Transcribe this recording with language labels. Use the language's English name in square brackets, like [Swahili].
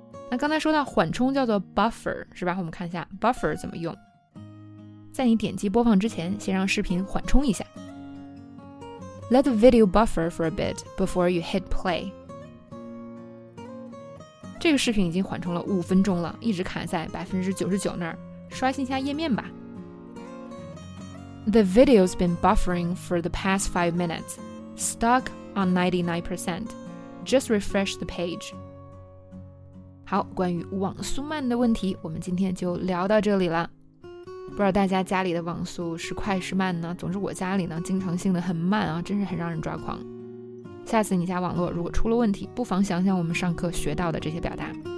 [Chinese] 那刚才说到缓冲叫做 buffer, 是吧？我们看一下 buffer 怎么用。在你点击播放之前，先让视频缓冲一下。 [English] Let the video buffer for a bit before you hit play. [Chinese] 这个视频已经缓冲了五分钟了，一直卡在99%那儿，刷新一下页面吧。 [English] The video's been buffering for the past 5 minutes, stuck on 99%. Just refresh the page. [Chinese] 好，关于网速慢的问题，我们今天就聊到这里了。不知道大家家里的网速是快是慢呢？总之我家里呢，经常性的很慢啊，真是很让人抓狂。下次你家网络如果出了问题，不妨想想我们上课学到的这些表达。